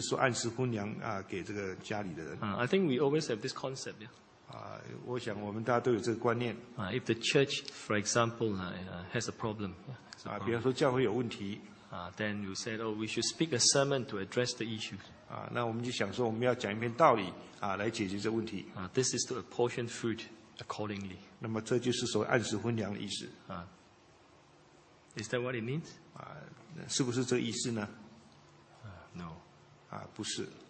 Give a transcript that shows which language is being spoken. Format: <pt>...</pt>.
<zh>说按时分粮给这个家里的人。</zh> <en>I think we always have this concept. Yeah.</en> <zh>我想我们大家都有这个观念。</zh> <en>If the church, for example, has a problem,</en> <zh>比方说教会有问题。</zh> <en>Then we said, oh, we should speak a sermon to address the issues.</en> <zh>那我们就想说我们要讲一篇道理来解决这个问题。</zh> <en>This is to apportion food. Accordingly.</en> <zh>那么这就是所谓按时分粮的意思。</zh> <en>Is that what it means?</en> <zh>是不是这个意思呢？</zh> <en>No.</en> <zh>不是。</zh>